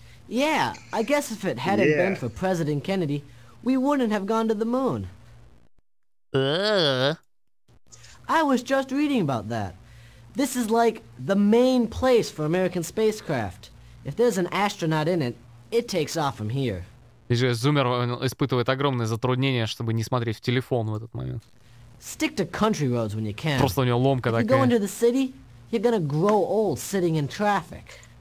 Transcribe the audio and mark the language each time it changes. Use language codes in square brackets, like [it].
[en] Yeah, I guess if it hadn't been for President Kennedy, we wouldn't have gone to the moon. I was just reading about that. This is like the main place for American spacecraft. If there's an astronaut in it, it takes off from here. [ru] Зумер испытывает огромные затруднения, чтобы не смотреть в телефон в этот момент. [en] Stick to country roads when you can. [ru] Просто у него ломка такая. [en] If you go into the city, you're gonna grow old sitting in traffic.